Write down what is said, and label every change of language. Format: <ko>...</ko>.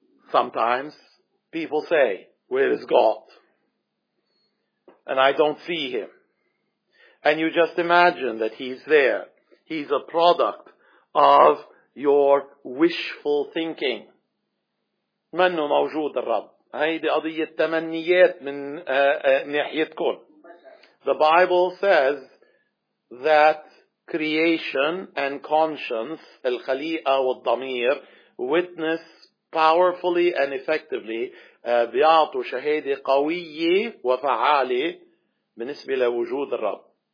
<en>Sometimes people say, where is God? And I don't see him. And you just imagine that he's there. He's a product of your wishful thinking.</en> <ar>منو موجود الرب. هيدي قضية تمنيات من ناحيتكم.</ar> <en>The Bible says that creation and conscience,</en> <ar>الخليقة والضمير,</ar> <en>witness powerfully and effectively,</en> <ar>بيعطوا شهادة قوية وفعالة بالنسبة لوجود الرب.</ar>